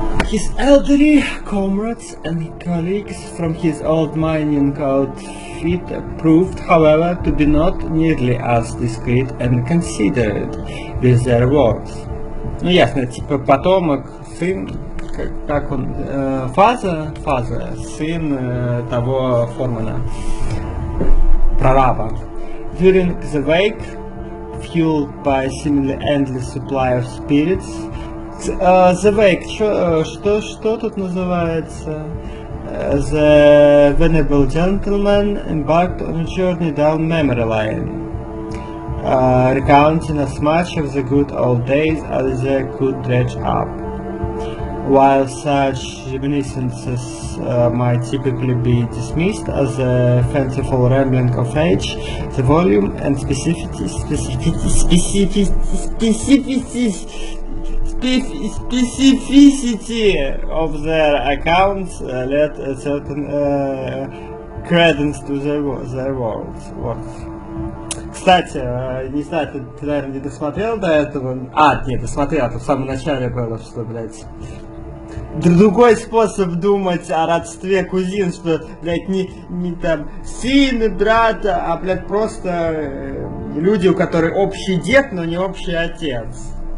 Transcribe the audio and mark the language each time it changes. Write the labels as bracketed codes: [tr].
[en] His elderly comrades and colleagues from his old mining outfit proved, however, to be not nearly as discreet and considerate with their words. [ru] Ну ясно, типа потомок, сын, как он, father, сын того Формана, прораба. [en] During the wake, fueled by seemingly endless supply of spirits, the wake, [ru] что тут называется? [en] The venerable gentleman embarked on a journey down memory lane, recounting as much of the good old days as they could dredge up. While such reminiscences might typically be dismissed as a fanciful rambling of age, the volume and specificity of their accounts led a certain credence to their words. [ru] Кстати, не знаю, ты, наверное, не досмотрел до этого. А, нет, досмотрел, это в самом начале было, что, блядь. Другой способ думать о родстве кузин, что, блядь, не там сын и брат, а, блядь, просто люди, у которых общий дед, но не общий отец.